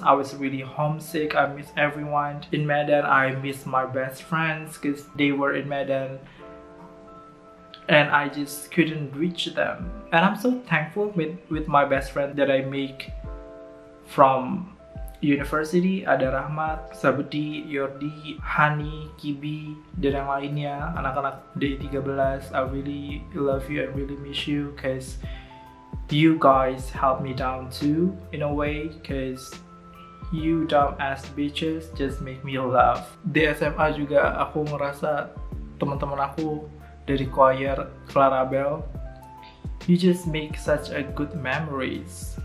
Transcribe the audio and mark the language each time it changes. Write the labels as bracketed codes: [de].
[en] I was really homesick. I miss everyone in Medan. I miss my best friends because they were in Medan, and I just couldn't reach them. And I'm so thankful with my best friend that I make from university. [id] Ada Rahmat, Sabdi, Yordi, Hani, Kibi, dan yang lainnya, anak-anak D13. [en] I really love you, I really miss you, cause you guys help me down too, in a way, cause you dumbass bitches just make me laugh. [id] Di SMA juga aku ngerasa teman-teman aku dari choir, Clarabel, [en] you just make such a good memories.